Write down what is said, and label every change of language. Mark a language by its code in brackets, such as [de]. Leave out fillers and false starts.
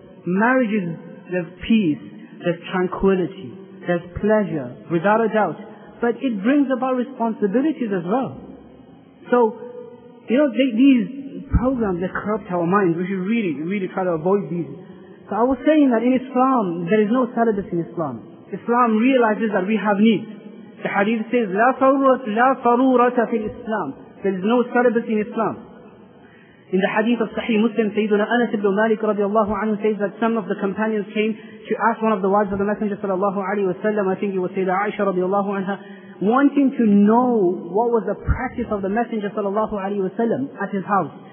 [en] Marriage is, there's peace, there's tranquility, there's pleasure, without a doubt. But it brings about responsibilities as well. So, you know, these programs, they corrupt our minds. We should really, really try to avoid these. So I was saying that in Islam, there is no celibacy in Islam. Islam realizes that we have needs. The hadith says, [ar] لَا صَرُورَةَ فِي الْإِسْلَامِ. [en] There is no celibacy in Islam. In the hadith of Sahih Muslim, Sayyiduna Anas ibn Malik radiallahu anhu says that some of the companions came to ask one of the wives of the Messenger sallallahu alayhi wa sallam, I think it was Sayyidah Aisha radiallahu anha, wanting to know what was the practice of the Messenger sallallahu alayhi wa sallam at his house.